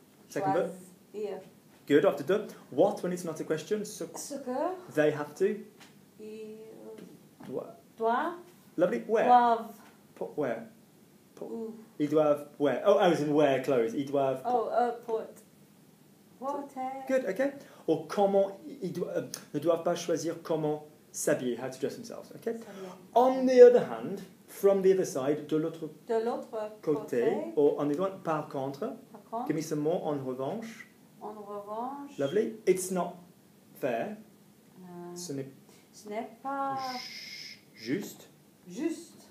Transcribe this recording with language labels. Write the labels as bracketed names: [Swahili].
[English] Second verb. [French] Choisir. [English] Good, after deux. What, when it's not a question? [French] Ce que. [English] They have to. [French] Ils. Doivent. [English] Lovely. Where? [French] Doivent. [English] Put where? Put. [French] Ils doivent [English] where? Oh, I was in where clothes. [French] Ils doivent. [English] Oh, put. Porter. Good, okay. Or [French] comment. Ils ne doivent pas choisir comment [English] s'habiller, how to dress themselves. Okay. S'habiller. On the other hand, from the other side, [French] de l'autre côté, [English] or on the other one, [French] par contre, [English] give me some more, [French] en revanche. En revanche. [English] Lovely. It's not fair. [French] Ce n'est pas juste. Juste.